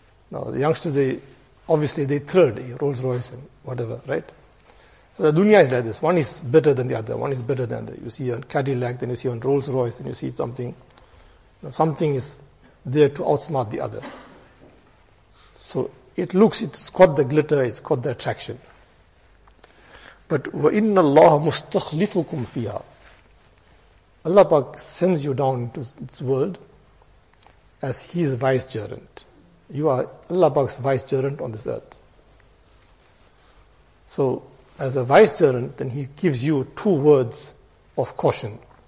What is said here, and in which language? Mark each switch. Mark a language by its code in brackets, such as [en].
[en] Now the youngsters, they thrilled, Rolls Royce and whatever, right? So the dunya is like this. One is better than the other. One is better than the other. You see a Cadillac, then you see a Rolls Royce, then you see something. You know, something is there to outsmart the other. So it looks, it's got the glitter, it's got the attraction. But [ar] وَإِنَّ اللَّهَ مُسْتَخْلِفُكُمْ فِيهَا. [en] Allah Pak sends you down into this world as His vicegerent. You are Allah Pak's vicegerent on this earth. So, as a vicegerent, then He gives you two words of caution.